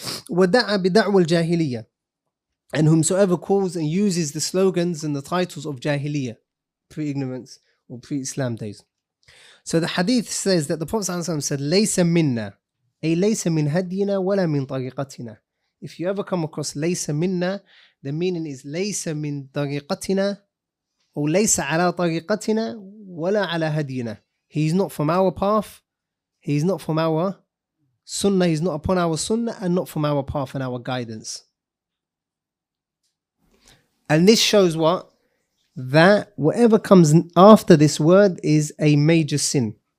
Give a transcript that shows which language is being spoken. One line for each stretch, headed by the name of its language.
English: Wada'a bida'wa al-jahiliyyah. And whomsoever calls and uses the slogans and the titles of jahiliyyah, pre-ignorance or pre-Islam days. So the hadith says that the Prophet ﷺ said, Laysa minna.
Arabic: لَيْسَ مِنْ هَدِّيْنَا وَلَا مِنْ طَرِيقَتِنَا. If you ever come across لَيْسَ مِنَّا, the meaning is لَيْسَ مِنْ طَرِيقَتِنَا أو لَيْسَ عَلَى طَرِيقَتِنَا وَلَا عَلَى هَدِّيْنَا.
English: He is not from our path, he is not from our sunnah, he is not upon our sunnah, and not from our path and our guidance. And this shows what? That whatever comes after this word is a major sin.